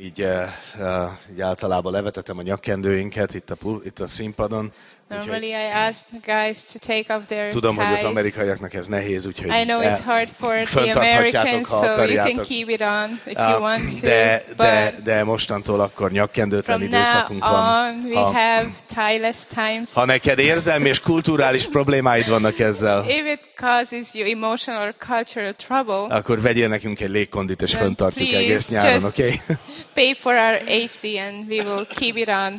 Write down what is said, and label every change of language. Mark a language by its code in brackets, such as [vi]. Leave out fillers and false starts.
[hu] Így általában levetetem a nyakkendőinket itt a színpadon. [en] Normally I ask the guys to take off their ties. [hu] Tudom, hogy az amerikaiaknak ez nehéz, úgyhogy [en] I know it's hard for the Americans, so you can keep it on if you want to. [hu] De mostantól akkor nyakkendőtlen időszakunk van. [en] We have tie-less times. [hu] Ha neked érzelmi és kulturális problémáid vannak ezzel, [en] if it causes you emotional or cultural trouble, [hu] akkor vegyél nekünk egy légkondit és fönntartjuk egész nyáron, oké? [en] Pay for our AC and we will keep it on the